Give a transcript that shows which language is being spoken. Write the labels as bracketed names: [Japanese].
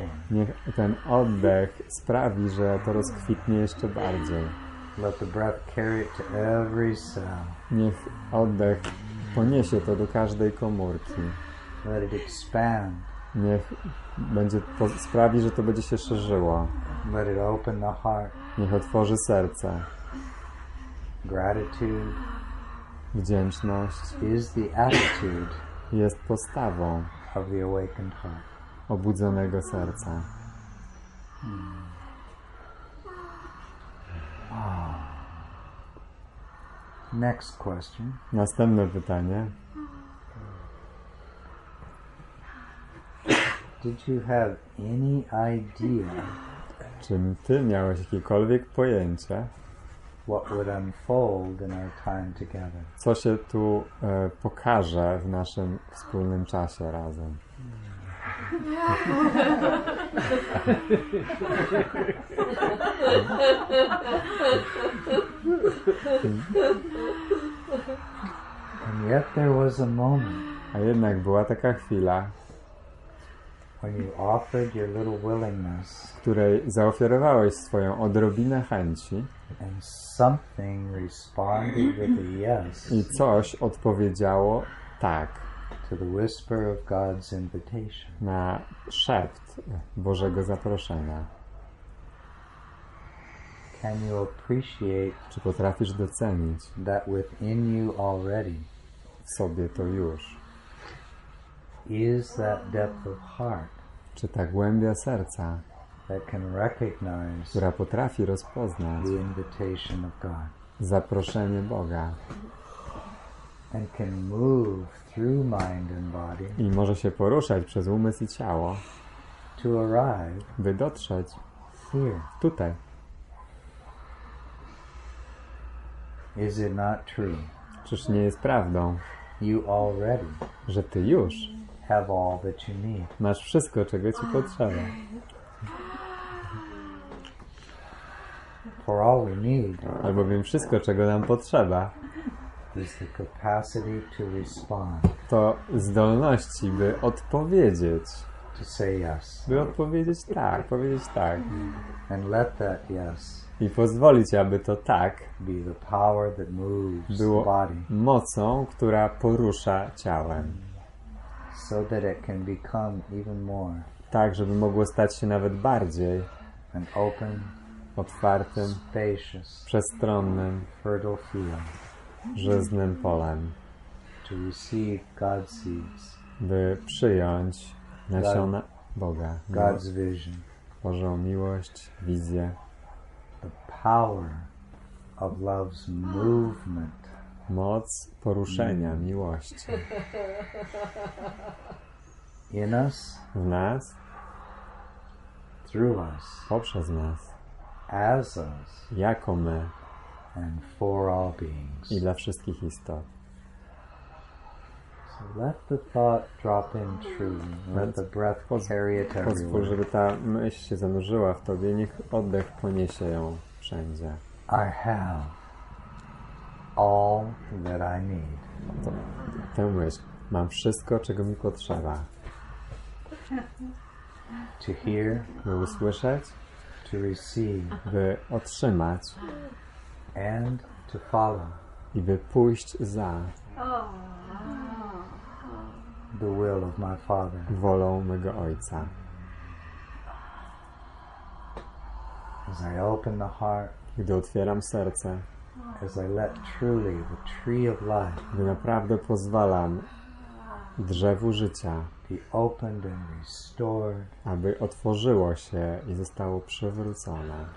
[Polish] Niech ten oddech sprawi, że to rozkwitnie jeszcze bardziej. [English] Let the breath carry it to every cell. [Polish] Niech oddech poniesie to do każdej komórki. [English] Let it expand. [Polish] Niech będzie to sprawi, że to będzie się szerzyło. [English] Let it open the heart. [Polish] Niech otworzy serce. [English] Gratitude. [Polish] Wdzięczność. [English] Is the attitude. [Polish] Jest postawą. [English] Of the awakened heart. [Polish] Obudzonego serca. [English] Next question. [Polish] Następne pytanie. [English] Did you have any idea? [Polish] Czy ty miałeś jakiekolwiek pojęcie? [English] What would unfold in our time together? [Polish] Co się tu pokaże w naszym wspólnym czasie razem? [English] And yet there was a moment. [Polish] A jednak była taka chwila, [English] when you offered your little willingness, [Polish] której zaofiarowałeś swoją odrobinę chęci, [English] and something responded with a yes. [Polish] I coś odpowiedziało tak. [English] To the whisper of God's invitation. [Polish] Na szept Bożego zaproszenia. [English] Can you appreciate? [Polish] Czy potrafisz docenić? [English] That within you already. [Polish] W sobie to już. [English] Is that depth of heart? [Polish] Czy ta głębia serca? [English] That can recognize. [Polish] Która potrafi rozpoznać? [English] The invitation of God. [Polish] Zaproszenie Boga. [English] And can move through mind and body. [Polish] I może się poruszać przez umysł i ciało. [English] To arrive. [Polish] By dotrzeć. [English] Here. [Polish] Tutaj. [English] Is it not true? [Polish] Czyż nie jest prawdą? [English] You already. [Polish] Że ty już. [English] Have all that you need. [Polish] Masz wszystko, czego ci potrzeba. [English] For all we need. [Polish] Albowiem wszystko, czego nam potrzeba. [English] Is the capacity to respond. [Polish] To zdolności, by odpowiedzieć. [English] To say yes. [Polish] By odpowiedzieć tak, powiedzieć tak. [English] And let that yes. [Polish] I pozwolić, aby to tak [English] be the power that moves [Polish] było [English] the body. [Polish] Mocą, która porusza ciałem. [English] So that it can become even more. [Polish] Tak, żeby mogło stać się nawet bardziej. [English] And open, [Polish] otwartym, [English] spacious, [Polish] przestronnym, [English] fertile field. [Polish] Żyznym polem. [English] To receive God's seeds. [Polish] By przyjąć nasiona Boga. [English] God's vision. [Polish] Bożą miłość, wizję. [English] The power of love's movement. [Polish] Moc poruszenia miłości. [English] In us. [Polish] W nas. [English] Through us. [Polish] Poprzez nas. [English] As us. [Polish] Jako my. [English] And for all beings. [Polish] I dla wszystkich istot. [English] So let the thought drop in truly. Let the breath carry it everywhere. [Polish] Pozwól, żeby ta myśl się zanurzyła w tobie. Niech oddech poniesie ją wszędzie. [English] I have all that I need. [Polish] Tę myśl. Mam wszystko, czego mi potrzeba. [English] To hear. [Polish] By usłyszeć. [English] To receive. [Polish] By otrzymać. [English] And to follow. [Polish] I by pójść za [English] the will of my father. [Polish] Wolą mego ojca. [English] As I open the heart, [Polish] gdy otwieram serce, [English] as I let truly the tree of life, [Polish] gdy naprawdę pozwalam drzewu życia, [English] be opened and restored, [Polish] aby otworzyło się i zostało przywrócone,